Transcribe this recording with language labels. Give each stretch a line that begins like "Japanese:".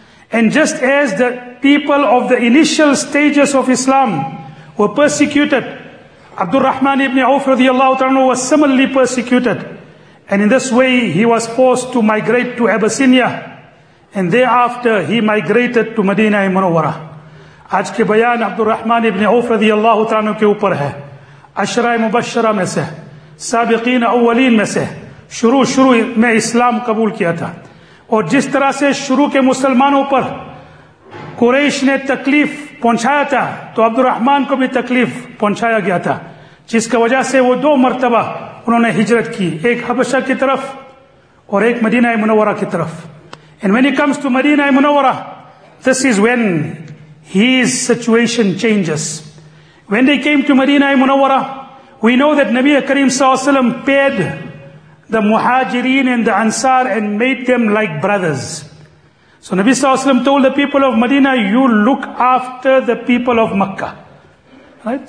English: And just as the people of the initial stages of Islam were persecuted, Abdul Rahman ibn Auf radiallahu ta'ala was similarly persecuted. And in this way, he was forced to migrate to Abyssinia. And thereafter, he migrated to Medina Munawwara.
Urdu: آج کے بیان عبد الرحمن ابن عوف رضی اللہ تعالیٰ عنہ کے اوپر ہے. عشرہ مبشرہ میں سے، سابقین اولین میں سے، شروع میں اسلام قبول کیا تھا. اور جس طرح سے شروع کے مسلمانوں پر قریش نے تکلیف پہنچایا تھا، تو عبد الرحمن کو بھی تکلیف پہنچایا گیا تھا، جس کی وجہ سے وہ دو مرتبہ انہوں نے ہجرت کی، ایک حبشہ کی طرف اور ایک مدینہ منورہ کی طرف.
English: And when he comes to Medina Munawwara, this is when his situation changes. When they came to Medina Munawwara, we know that Nabi Kareem sallallahu alaihi wasallam paired the Muhajireen and the Ansar and made them like brothers. So Nabi sallallahu alaihi wasallam told the people of Medina, you look after the people of Makkah. Right?